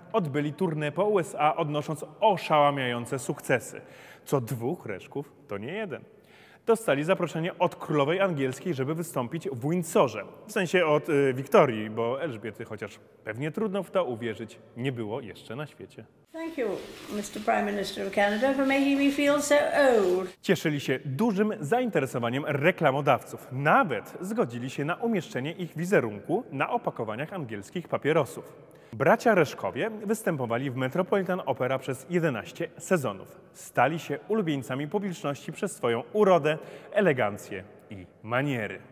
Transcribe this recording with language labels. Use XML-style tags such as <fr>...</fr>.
<pl>Odbyli turnę po USA, odnosząc oszałamiające sukcesy. Co dwóch Reszków, to nie jeden. Dostali zaproszenie od królowej angielskiej, żeby wystąpić w Windsorze. W sensie od Wiktorii, bo Elżbiety, chociaż pewnie trudno w to uwierzyć, nie było jeszcze na świecie.</pl> <en>Thank you, Mr. Prime Minister of Canada, for making me feel so old.</en> <pl>Cieszyli się dużym zainteresowaniem reklamodawców. Nawet zgodzili się na umieszczenie ich wizerunku na opakowaniach angielskich papierosów. Bracia Reszkowie występowali w Metropolitan Opera przez 11 sezonów. Stali się ulubieńcami publiczności przez swoją urodę, elegancję i maniery.</pl>